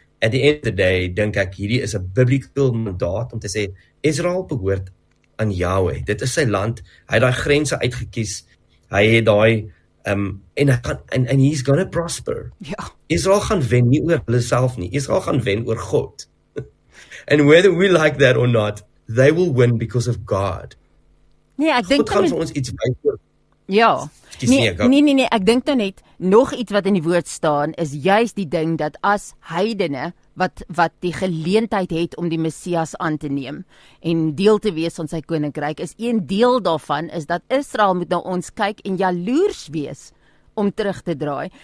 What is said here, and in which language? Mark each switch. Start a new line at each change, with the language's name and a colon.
English: at the end of the day,
Afrikaans: dink ek, hierdie is 'n biblical mandaat om te sê, Israel behoort aan Yahweh. Dit is sy land, hy het daai grense uitgekies, hy het daai, en hy gaan,
English: and he's gonna prosper.
Afrikaans: Ja. Israel gaan wen nie oor hulle self nie, Israel gaan wen oor God.
English: And whether we like that or not, they will win because of God.
Afrikaans: Nee, ek dink God gaan vir ons iets wys oor. Ja, nee, ek dink nou net, nog iets wat in die woord staan, is juist die ding dat as heidene, wat die geleentheid het om die Messias aan te neem, en deel te wees van sy koninkryk, is een deel daarvan, is dat Israel moet nou ons kyk en jaloers wees, om terug te draai.